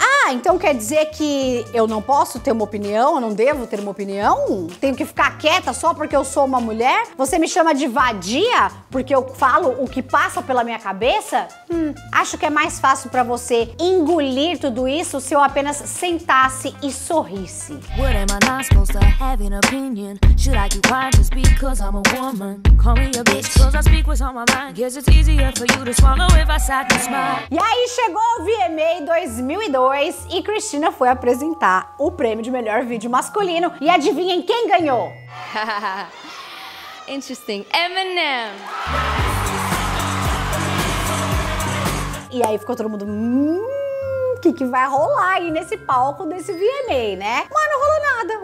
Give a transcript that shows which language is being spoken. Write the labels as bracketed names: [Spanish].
[Portuguese] Ah, então quer dizer que eu não posso ter uma opinião? Eu não devo ter uma opinião? Tenho que ficar quieta só porque eu sou uma mulher? Você me chama de vadia porque eu falo o que passa pela minha cabeça? Acho que é mais fácil pra você engolir tudo isso se eu apenas sentasse e sorrisse. [English] What am I not supposed to have an opinion? Should I keep quiet just because I'm a woman? Call me a bitch cause I speak what's on my mind. Guess it's easier for you to swallow if I sat and smile. [Portuguese] E aí chegou o VMA 2012. E Christina foi apresentar o prêmio de melhor vídeo masculino. E adivinhem quem ganhou? [English] Interesting. Eminem. [Portuguese] E aí ficou todo mundo... O que vai rolar aí nesse palco desse VMA, né? Mas não rolou nada.